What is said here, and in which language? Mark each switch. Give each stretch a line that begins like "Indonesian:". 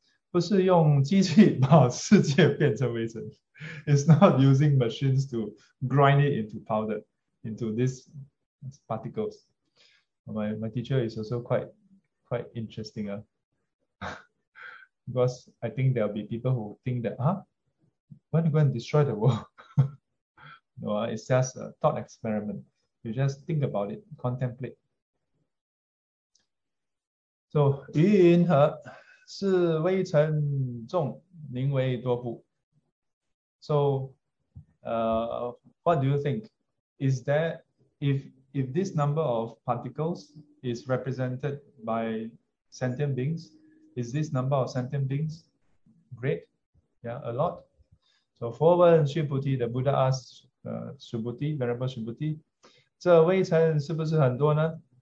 Chinese: 不是用机器把世界变成微尘.
English: It's not using machines to grind it into powder, into these particles. My teacher is also quite interesting. Because I think there'll be people who think that, huh? When you go and destroy the world, no, it's just a thought experiment. You just think about it, contemplate. So,
Chinese: 云和是微尘众，宁为多不?
English: So, what do you think? Is there if this number of particles is represented by sentient beings, is this number of sentient beings great? Yeah, a lot. So,
Chinese: 佛问须菩提,
English: the Buddha asked Subhuti, Venerable Subhuti,
Chinese: 这微尘是不是很多呢?